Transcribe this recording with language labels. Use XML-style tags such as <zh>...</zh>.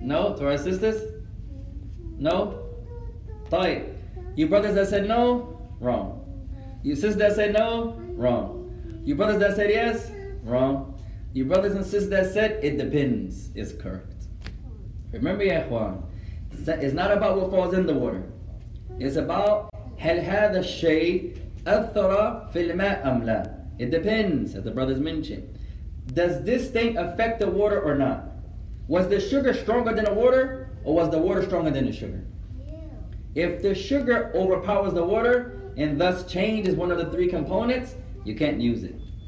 <en>No, to our sisters? No? طيب. You brothers that said no? Wrong. You sisters that said no? Wrong. You brothers that said yes? Wrong. You brothers and sisters that said it depends is correct. Remember, ya Ikhwan, it's not about what falls in the water. It's about</en> <ar>هل هذا الشيء أثر في الماء أم لا?</ar> <en>It depends, as the brothers mentioned. Does this thing affect the water or not? Was the sugar stronger than the water, or was the water stronger than the sugar? Yeah. If the sugar overpowers the water and thus changes one of the three components, you can't use it.</en>